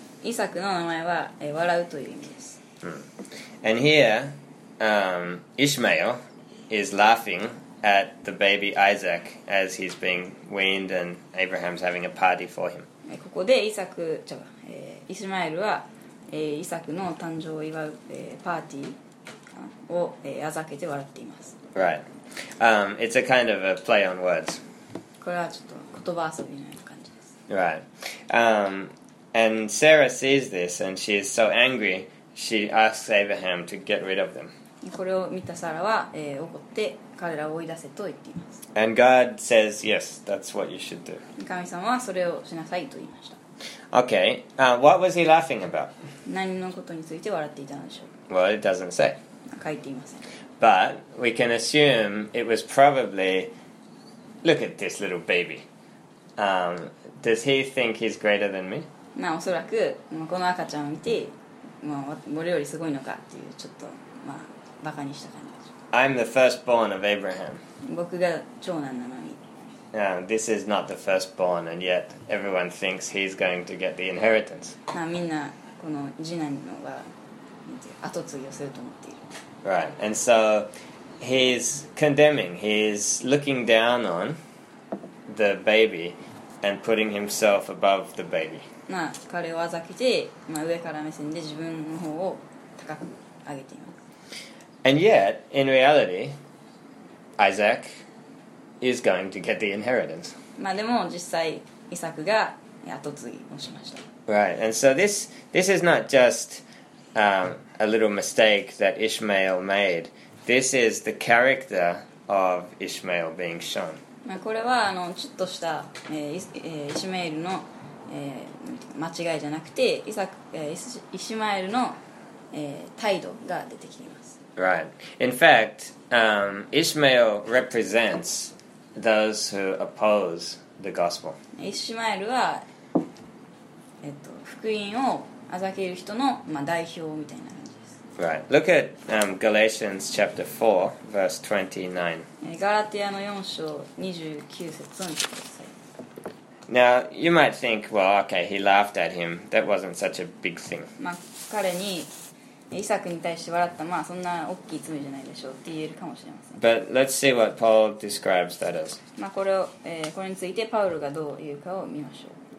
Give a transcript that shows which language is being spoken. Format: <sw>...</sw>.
<ja>イサクの名前は、笑うという意味です。</ja> <en>And here, Ishmael is laughing at the baby Isaac as he's being weaned and Abraham's having a party for him.</en> <ja>ここでイスマエルは、イサクの誕生を祝う、パーティーを、あざけて笑っています。</ja> <en>Right. It's a kind of a play on words.</en> <ja>これはちょっと言葉遊びのような感じです。</ja> <en>Right. And Sarah sees this, and she is so angry, she asks Abraham to get rid of them.</en> <ja>これを見たサラは、怒って彼らを追い出せと言っています。</ja> <en>And God says, yes, that's what you should do.</en> <ja>神様はそれをしなさいと言いました。</ja> <en>Okay, what was he laughing about?</en> <ja>何のことについて笑っていたのでしょう?</ja> <en>Well, it doesn't say.</en> <ja>書いていません。</ja> <en>But we can assume it was probably, look at this little baby. Does he think he's greater than me?</en> <ja>まあ、おそらく、まあ、この赤ちゃんを見て、まあ、俺よりすごいのかっていうちょっと、まあ、バカにした感じでしょ。</ja> <en>I'm the firstborn of Abraham.</en> <ja>僕が長男なのに。</ja> <en>This is not the firstborn, and yet everyone thinks he's going to get the inheritance.</en> <ja>まあ、みんなこの次男のが後継ぎをすると思っている。</ja> <en>Right, and so he's condemning, he's looking down on the baby and putting himself above the baby.</en> <ja>まあ、彼をあざけて、まあ、上から目線で自分の方を高く上げています。</ja> <en>And yet, in reality, Isaac is going to get the inheritance.</en> <ja>まあでも実際、イサクが跡継ぎをしました。</ja> <en>Right, and so this is not just a little mistake that Ishmael made. This is the character of Ishmael being shown.</en> <ja>これはちょっとしたイシュマエルの間違いじゃなくて、イシュマエルの態度が出てきます。</ja> <en>Right. In fact, Ishmael represents those who oppose the gospel.</en> <ja>イシュマエルは福音をあざける人の、まあ、代表みたいな感じです。</ja> <en>Right. Look at Galatians chapter 4, verse 29.</en> <ja>ガラティアの4章29節を見てください。</ja> <en>Now, you might think, well, okay, he laughed at him. That wasn't such a big thing.</en> <ja>まあ、彼に、イサクに対して笑った、まあ、そんな大きい罪じゃないでしょうって言えるかもしれません。</ja> <en>But let's see what Paul describes that as.</en> <ja>まあ、これを、これについてパウルがどう言うかを見ましょう。</ja>